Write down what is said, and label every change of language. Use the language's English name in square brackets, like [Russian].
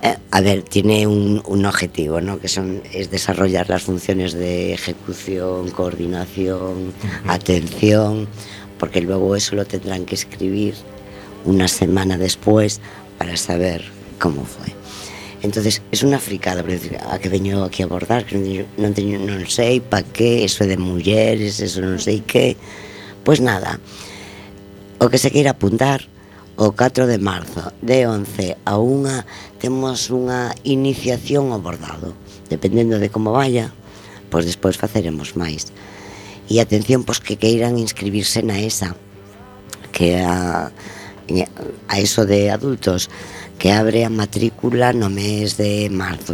[Spanish] A ver, tiene un objetivo, ¿no? Que es desarrollar las funciones de ejecución, coordinación, atención, porque luego eso lo tendrán que escribir una semana después para saber cómo fue. Entonces, es una fricada, porque [Galician] ¿a qué veño aquí a abordar? Non sei pa qué, eso de mulleres, eso non sei qué. Pues nada, o que se queira apuntar, o 4 de marzo, de 11 a 1, temos unha iniciación ao bordado. Dependendo de como vaya, pois despois faceremos máis. E atención, pois que queiran inscribirse na ESA, que a eso de adultos, que abre a matrícula no mes de marzo.